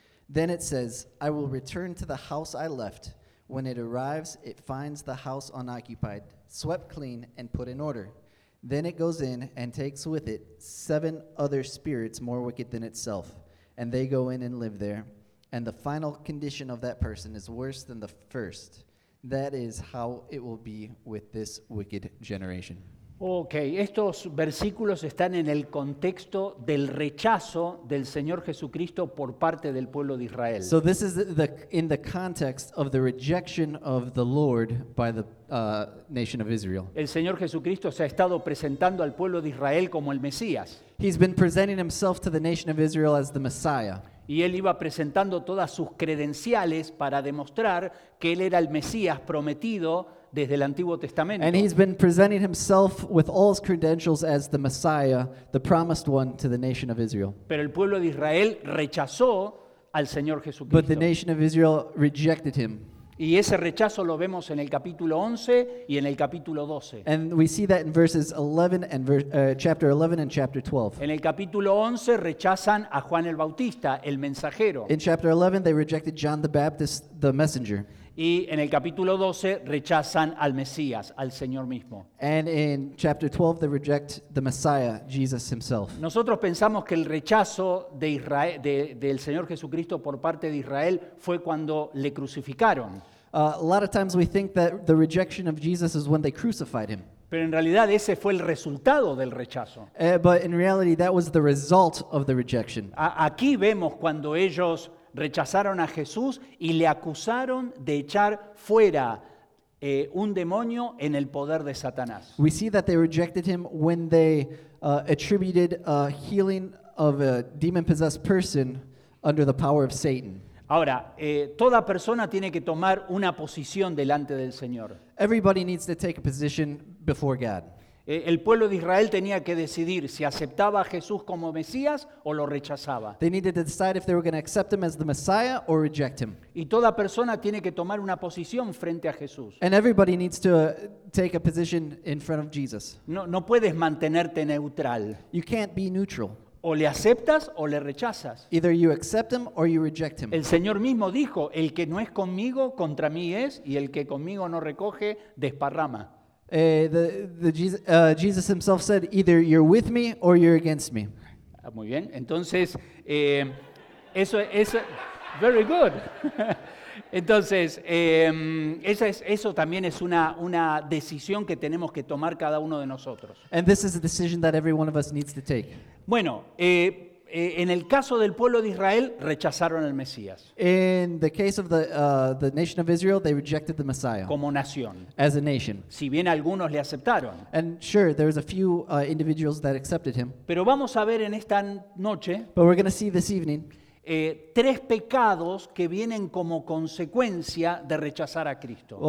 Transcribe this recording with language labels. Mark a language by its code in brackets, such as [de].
[en] Then it says, I will return to the house I left. When it arrives, it finds the house unoccupied, swept clean, and put in order. Then it goes in and takes with it seven other spirits more wicked than itself, and they go in and live there. And the final condition of that person is worse than the first. That is how it will be with this wicked generation. [es] Okay, estos versículos están en el contexto del rechazo del Señor Jesucristo por parte del pueblo de Israel. [en] So this is in the context of the rejection of the Lord by the nation of Israel. [es] El Señor Jesucristo se ha estado presentando al pueblo de Israel como el Mesías. [en] He's been presenting himself to the nation of Israel as the Messiah. [es] Y él iba presentando todas sus credenciales para demostrar que él era el Mesías prometido desde el Antiguo Testamento. [en] And he's been presenting himself with all his credentials as the Messiah, the promised one to the nation of Israel. [es] Pero el pueblo de Israel rechazó al Señor Jesucristo. [en] But the nation of Israel rejected him. [es] Y ese rechazo lo vemos en el capítulo 11 y en el capítulo 12. [en] And we see that in verses 11 and chapter 11 and chapter 12. [es] En el capítulo 11 rechazan a Juan el Bautista, el mensajero. [en] In chapter 11 they rejected John the Baptist, the messenger. [es] Y en el capítulo 12 rechazan al Mesías, al Señor mismo. [en] And in chapter 12 they reject the Messiah, Jesus himself. [es] Nosotros pensamos que el rechazo de Israel, del Señor Jesucristo por parte de Israel fue cuando le crucificaron. [en] A lot of times we think that the rejection of Jesus is when they crucified him. [es] Pero en realidad ese fue el resultado del rechazo. [en] But in reality that was the result of the rejection. [es] Aquí vemos cuando ellos rechazaron a Jesús y le acusaron de echar fuera un demonio en el poder de Satanás. [en] We see that they rejected him when they attributed a healing of a demon-possessed person under the power of Satan. [es] Ahora, toda persona tiene que tomar una posición delante del Señor. [en] Everybody needs to take a position before God. [es] El pueblo de Israel tenía que decidir si aceptaba a Jesús como Mesías o lo rechazaba. [en] They needed to decide if they were going to accept him as the Messiah or reject him. [es] Y toda persona tiene que tomar una posición frente a Jesús. [en] And everybody needs to take a position in front of Jesus. [es] No puedes mantenerte neutral. [en] You can't be neutral. [es] O le aceptas o le rechazas. [en] Either you accept him or you reject him. [es] El Señor mismo dijo, el que no es conmigo, contra mí es, y el que conmigo no recoge, desparrama. [en] Jesus himself said, either you're with me or you're against me. [es] Muy bien. Entonces, eso, [en] very good. [es] Entonces, eso también es una decisión que tenemos que tomar cada uno de nosotros. [en] And this is a decision that every one of us needs to take. [es] Bueno, en el caso del pueblo de Israel, rechazaron al Mesías. [en] In the case of the nation of Israel, they rejected the Messiah. [es] Como nación. [en] As a nation. [es] Si bien algunos le aceptaron. [en] And sure, there was a few individuals that accepted him. [es] Pero vamos a ver en esta noche. [en] But we're going to see this evening. [es] Tres pecados que vienen como consecuencia de rechazar a Cristo.